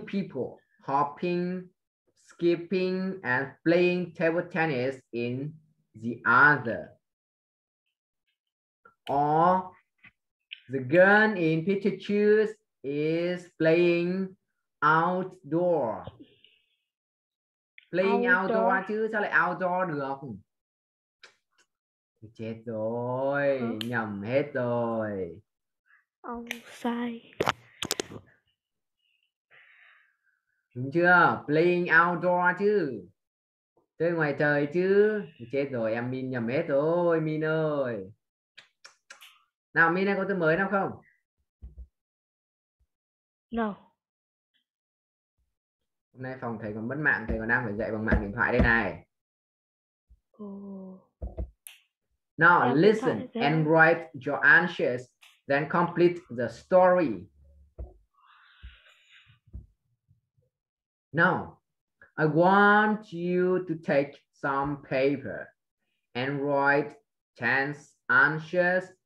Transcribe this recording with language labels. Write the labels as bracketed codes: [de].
[en] people hopping, skipping and playing table tennis in the other. Or the girl in picture two is playing outdoor. Playing outdoor Outdoor. [vi] chứ sao lại outdoor được không? Chết rồi, nhầm hết rồi. Ông sai. Đúng chưa? [en] Playing outdoor [vi] chứ. Chơi ngoài trời chứ. Chết rồi, em Min nhầm hết rồi, Min ơi. Nào, Min đang có từ mới nào không? [en] No. [vi] Hôm nay phòng thầy còn mất mạng, thầy còn đang phải dạy bằng mạng điện thoại đây này. Oh. [en] Now [vi] Đeo điện thoại [en] listen and write your answers, then complete the story. Now, I want you to take some paper and write 10 answers.